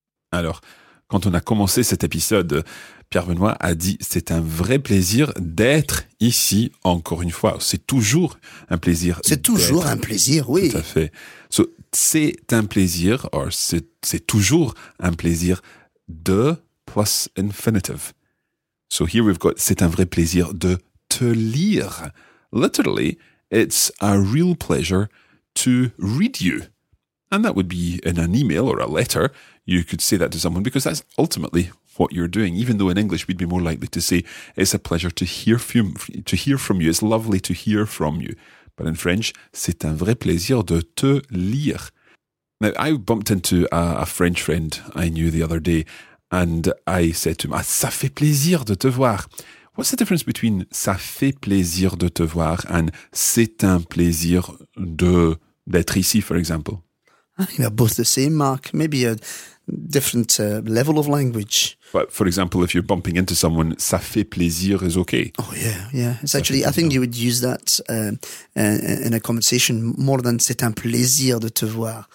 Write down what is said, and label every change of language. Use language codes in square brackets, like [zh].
[fr] Alors, quand on a commencé cet épisode, Pierre-Benoît a dit « C'est un vrai plaisir d'être ici encore une fois ». C'est toujours un plaisir. C'est toujours un plaisir, oui. Tout à fait. So, c'est un plaisir, or c'est toujours un plaisir de plus infinitive. [en] So here we've got « [fr] C'est un vrai plaisir de te lire ». [en] Literally, it's a real pleasure to read you. And that would be in an email or a letter. You could say that to someone because that's ultimately what you're doing. Even though in English we'd be more likely to say it's a pleasure to hear from you. It's lovely to hear from you. But in French, [fr] c'est un vrai plaisir de te lire. [en] Now, I bumped into a French friend I knew the other day and I said to him, [fr] ah, ça fait plaisir de te voir. [en] What's the difference between [fr] ça fait plaisir de te voir [en] and [fr] c'est un plaisir d'être ici, [en] for example? I think they're both the same, Mark. Maybe a different level of language. But for example, if you're bumping into someone, [fr] ça fait plaisir [en] is okay. Oh, yeah, yeah. It's actually, I think you would use that in a conversation more than [fr] c'est un plaisir de te voir.